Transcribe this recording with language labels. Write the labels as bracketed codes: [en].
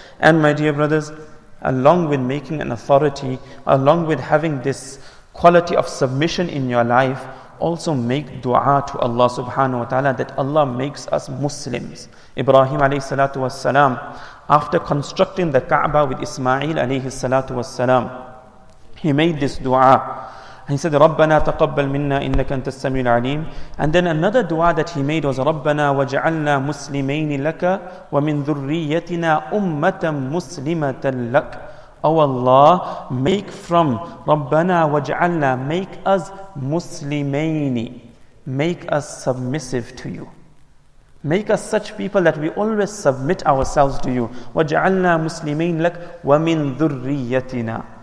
[en] And my dear brothers, along with making an authority, along with having this quality of submission in your life, also make dua to Allah subhanahu wa ta'ala that Allah makes us Muslims. Ibrahim alayhi salatu was salam, after constructing the Kaaba with Ismail alayhi salatu was salam, he made this dua. He said, [ar] رَبَّنَا تَقَبَّلْ مِنَّا إِنَّكَ أَنْتَ السَّمِيعُ الْعَلِيمُ. [en] And then another dua that he made was, [ar] رَبَّنَا وَجَعَلْنَا مُسْلِمَيْنِ لَكَ وَمِنْ ذُرِّيَّتِنَا أُمَّةً مُسْلِمَةً لَكَ. [en] Oh Allah, make from, [ar] رَبَّنَا وَجَعَلْنَا, [en] make us مُسْلِمَيْنِ, make us submissive to you. Make us such people that we always submit ourselves to you. [ar] وَجَعَلْنَا مُسْلِمَيْنِ لَكَ وَمِنْ ذُرِّيَّتِنَا.